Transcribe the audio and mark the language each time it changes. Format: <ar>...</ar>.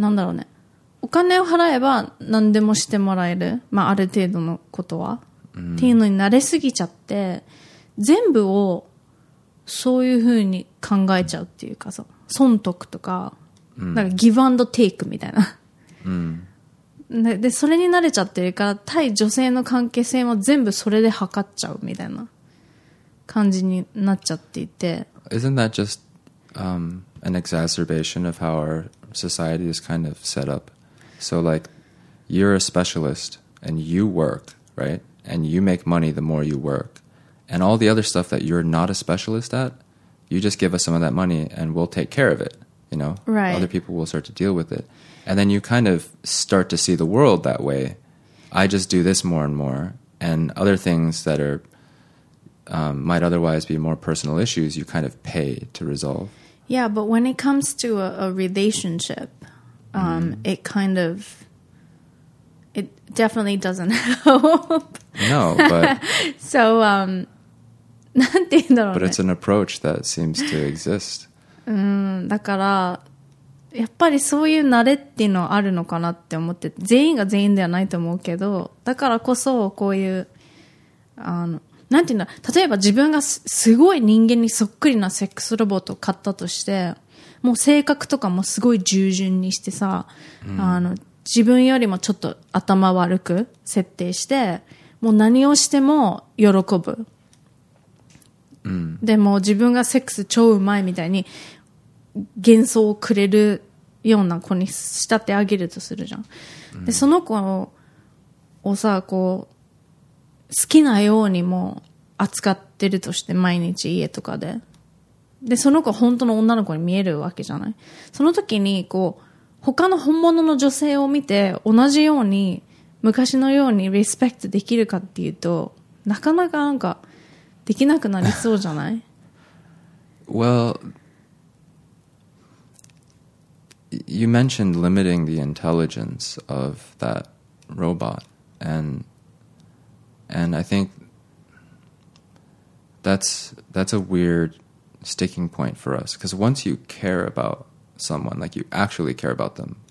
<ja>なんだろうね、お金を払えば何でもしてもらえる、まあ、ある程度のことは、っていうのに慣れすぎちゃって、全部をそういうふうに考えちゃうっていうかさ、損得とか、なんかギブアンドテイクみたいな。で、それに慣れちゃってるから、対女性の関係性も全部それで測っちゃうみたいな感じになっちゃっていて。</ja> <en>Isn't that justan exacerbation of how our society is kind of set up. So like, you're a specialist and you work, right? And you make money the more you work. And all the other stuff that you're not a specialist at, you just give us some of that money and we'll take care of it, you know? Right. Other people will start to deal with it. And then you kind of start to see the world that way. I just do this more and more. And other things that are might otherwise be more personal issues, you kind of pay to resolve. Yeah, but when it comes to a relationship, it kind of, it definitely doesn't help. No, but.</en> <ja>So, なんて言うんだろうね。</ja> <en>But it's an approach that seems to exist.</en> <ja>だから、やっぱりそういう慣れっていうのはあるのかなって思って、全員が全員ではないと思うけど、だからこそこういう、なんていうんだ、例えば自分が すごい人間にそっくりなセックスロボットを買ったとして、もう性格とかもすごい従順にしてさ、自分よりもちょっと頭悪く設定して、もう何をしても喜ぶ、でも自分がセックス超うまいみたいに幻想をくれるような子に仕立てあげるとするじゃん、でその子をさ、こう好きなようにも扱ってるとして、毎日家とかで。で、その子本当の女の子に見えるわけじゃない。その時に、こう、他の本物の女性を見て、同じように、昔のようにリスペクトできるかっていうと、なかなかなんか、できなくなりそうじゃない</ja> <en>?Well, you mentioned limiting the intelligence of that robot, and I think that's a weird sticking point for us, because once you care about someone, like you actually care about them,</en>